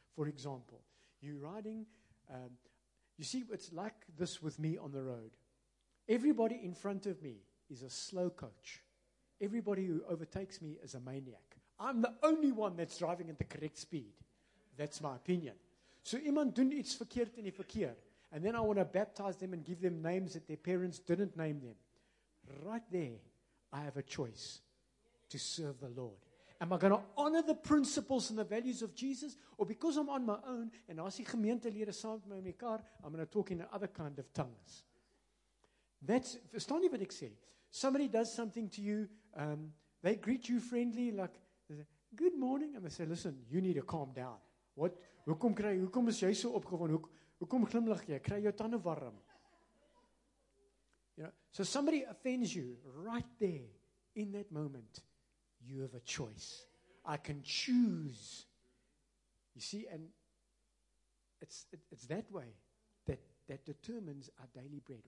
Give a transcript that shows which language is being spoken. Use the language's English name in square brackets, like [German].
[English] For example, you're riding, you see, it's like this with me on the road. Everybody in front of me is a slow coach. Everybody who overtakes me is a maniac. I'm the only one that's driving at the correct speed. That's my opinion. [Afrikaans] So iemand doen iets verkeerd in die verkeer. [English] And then I want to baptize them and give them names that their parents didn't name them. Right there, I have a choice to serve the Lord. Am I going to honor the principles and the values of Jesus? Or because I'm on my own, and [Afrikaans] as die gemeentelede saam met my in die kar, [English] I'm going to talk in other kind of tongues. [Afrikaans] That's, verstaan jy wat ek sê? [English] Somebody does something to you, they greet you friendly, like, they say, good morning, and they say, listen, you need to calm down. What? [Afrikaans] Hoekom is jy so opgewonde? Hoekom glimlag jy? Kry jou tande warm. [English] You know, so somebody offends you right there, in that moment, you have a choice. I can choose. You see, and it's that way that determines our daily bread.